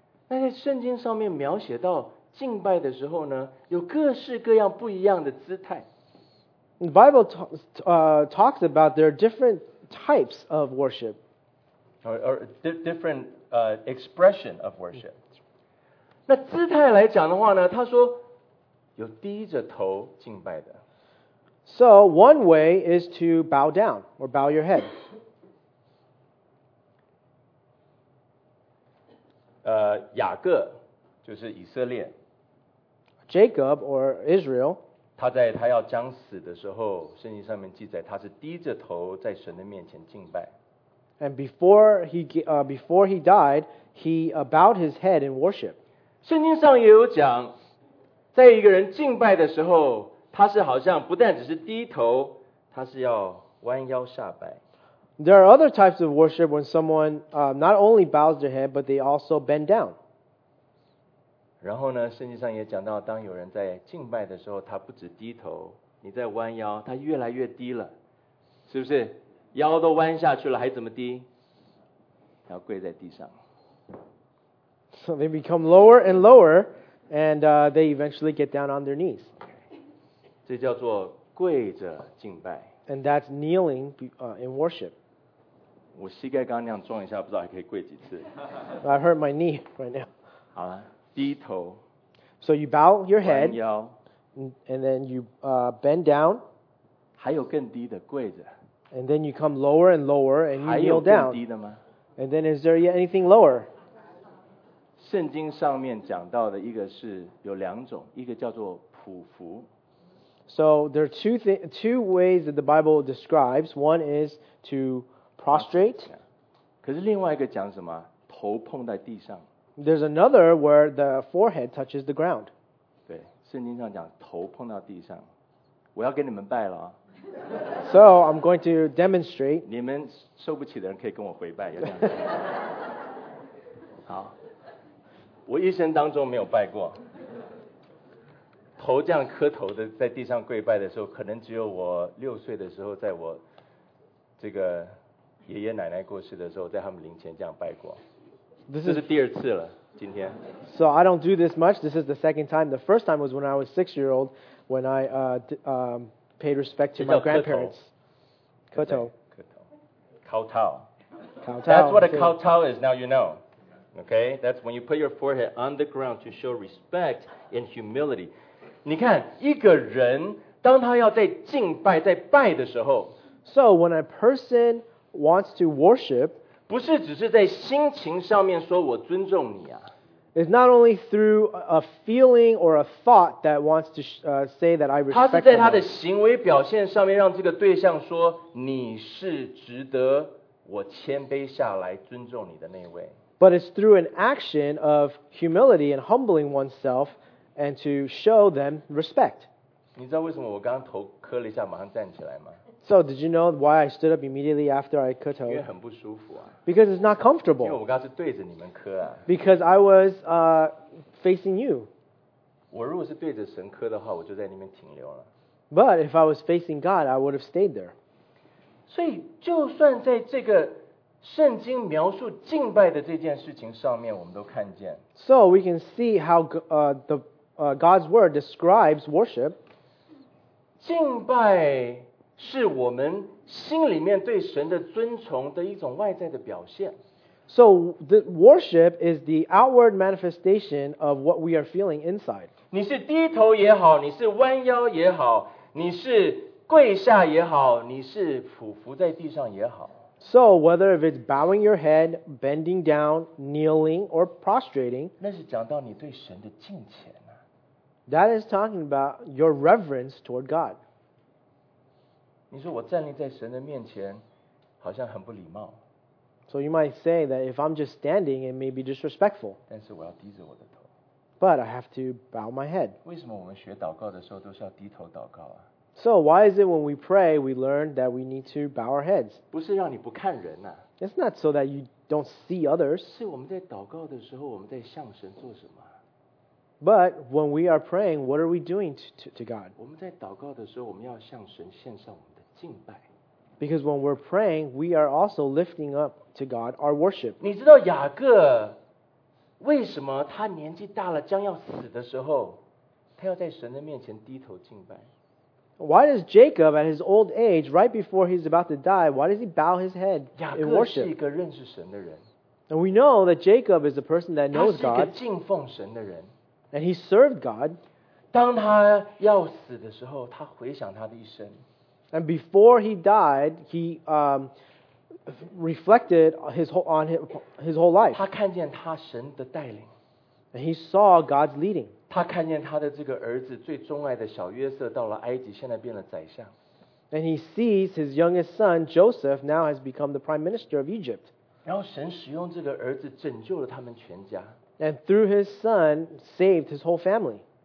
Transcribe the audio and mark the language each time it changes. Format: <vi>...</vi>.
<zh>那在圣经上面描写到敬拜的时候呢，有各式各样不一样的姿态。</zh> <en>The Bible talks about there are different types of worship, or different expression of worship.</en> <zh>那姿态来讲的话呢，他说有低着头敬拜的。</zh> <en>So one way is to bow down or bow your head.</en> <zh>雅各就是以色列</zh> <en>Jacob or Israel</en> <zh>他要将死的时候圣经上面记载他是低着头在神的面前敬拜</zh> <en>And before he died he bowed his head in worship</en> <zh>圣经上也有讲在一个人敬拜的时候他是好像不但只是低头他是要弯腰下拜</zh> <en>There are other types of worship when someone not only bows their head, but they also bend down.</en> <zh>然后呢，圣经上也讲到，当有人在敬拜的时候，他不止低头，你在弯腰，他越来越低了，是不是？腰都弯下去了，还怎么低？要跪在地上。</zh> <en>So they become lower and lower, and they eventually get down on their knees.</en> <zh>这叫做跪着敬拜。</zh> <en>And that's kneeling in worship.</en> <zh>我膝盖刚那样撞一下，不知道还可以跪几次。</zh> <en>I hurt my knee right now.</en> <zh>好了，低头。</zh> <en>So you bow your head.</en> <zh>弯腰。</zh> <en>And then you bend down.</en> <zh>还有更低的跪着。</zh> <en>And then you come lower and lower and you kneel down.</en> <zh>还有更低的吗？</zh> <en>And then is there anything lower?</en> <zh>圣经上面讲到的一个是有两种，一个叫做匍匐。</zh> <en>So there are two ways that the Bible describes. One is to prostrate.</en> <zh>可是另外一个讲什么？头碰在地上。</zh> <en>There's another where the forehead touches the ground.</en> <zh>对，圣经上讲头碰到地上。我要给你们拜了。</zh> <en>So I'm going to demonstrate.</en> <zh>你们受不起的人可以跟我回拜。有好，我一生当中没有拜过。头这样磕头的在地上跪拜的时候可能只有我六岁的时候在我这个爷爷奶奶过世的时候在他们灵前这样拜过</zh> <en>this</en> <zh>这是第二次了今天</zh> <en>So I don't do this much This is the second time The first time was when I was 6 years old When I paid respect to my grandparents 磕头</en> <zh>磕头敲头</zh> <en>That's what a 敲头 is now you knowOkay, that's when you put your forehead on the ground to show respect and humility.</en> <zh>你看，一个人当他要在敬拜、在拜的时候</zh> <en>，So when a person wants to worship,</en> <zh>不是只是在心情上面说我尊重你啊。</zh> <en>It's not only through a feeling or a thought that wants to say that I respect.</en> <zh>他是在他的行为表现上面让这个对象说你是值得我谦卑下来尊重你的那位。</zh> <en>But it's through an action of humility and humbling oneself and to show them respect.</en> <zh>你知道为什么我刚刚头磕了一下马上站起来吗？</zh> <en>So did you know why I stood up immediately after I磕头？</en> <zh>因为很不舒服啊。</zh> <en>Because it's not comfortable.</en> <zh>因为我刚刚是对着你们磕啊。</zh> <en>Because I was facing you.</en> <zh>我如果是对着神磕的话，我就在那边停留了。</zh> <en>But if I was facing God, I would have stayed there.</en> <zh>所以就算在这个圣经描述敬拜的这件事情上面，我们都看见。</zh> <en>So we can see how God's word describes worship.</en> <zh>敬拜是我们心里面对神的尊崇的一种外在的表现。</zh> <en>So the worship is the outward manifestation of what we are feeling inside.</en> <zh>你是低头也好，你是弯腰也好，你是跪下也好，你是匍匐在地上也好。</zh> <en>So whether if it's bowing your head, bending down, kneeling, or prostrating,</en> <zh>那是讲到你对神的敬虔啊。</zh> <en>That is talking about your reverence toward God.</en> <zh>你说我站立在神的面前，好像很不礼貌。</zh> <en>So you might say that if I'm just standing, it may be disrespectful.</en> <zh>但是我要低着我的头。</zh> <en>But I have to bow my head.</en> <zh>为什么我们学祷告的时候都是要低头祷告啊？</zh> <en>So why is it when we pray, we learn that we need to bow our heads?</en> <zh>不是让你不看人啊。</zh> <en>It's not so that you don't see others.</en> <zh>是我们在祷告的时候，我们在向神做什么？</zh> <en>But when we are praying, what are we doing to God?</en> <zh>我们在祷告的时候，我们要向神献上我们的敬拜。</zh> <en>Because when we're praying, we are also lifting up to God our worship.</en> <zh>你知道雅各为什么他年纪大了将要死的时候，他要在神的面前低头敬拜？</zh> <en>Why does Jacob, at his old age, right before he's about to die, why does he bow his head in worship?</en> <zh>雅各是一个认识神的人。</zh> <en>And we know that Jacob is a person that knows God.</en> <zh>他是一个敬奉神的人。</zh> <en>And he served God.</en> <zh>当他要死的时候，他回想他的一生。</zh> <en>And before he died, he reflected his whole life.</en> <zh>他看见他神的带领。</zh> <en>And he saw God's leading.</en> <zh>他看见他的这个儿子最钟爱的小约瑟到了埃及，现在变了宰相。</zh> <en>And he sees his youngest son Joseph now has become the prime minister of Egypt.</en> <zh>然后神使用这个儿子拯救了他们全家。</zh> <en>And through his son saved his whole family.</en>